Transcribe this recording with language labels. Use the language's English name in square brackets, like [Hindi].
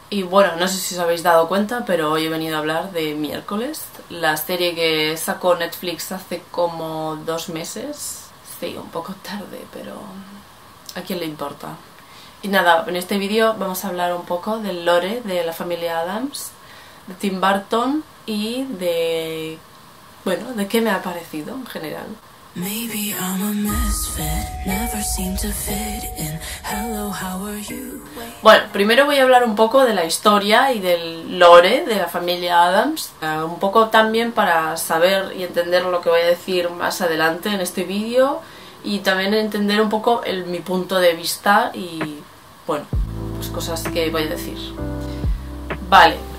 [Spanish] Y bueno, no sé si os habéis dado cuenta, pero hoy he venido a hablar de Miércoles, la serie que sacó Netflix hace como 2 meses. Sí, un poco tarde, pero ¿a quién le importa? Y nada, en este vídeo vamos a hablar un poco del lore de la familia Addams, de Tim Burton y de, bueno, de qué me ha parecido en general. [English] Maybe I'm a misfit, never seem to fit in. Hello, how are you? [Spanish] Bueno, primero voy a hablar un poco de la historia y del lore de la familia Addams, un poco también para saber y entender lo que voy a decir más adelante en este vídeo y también entender un poco mi punto de vista y, bueno, pues cosas que voy a decir. Vale.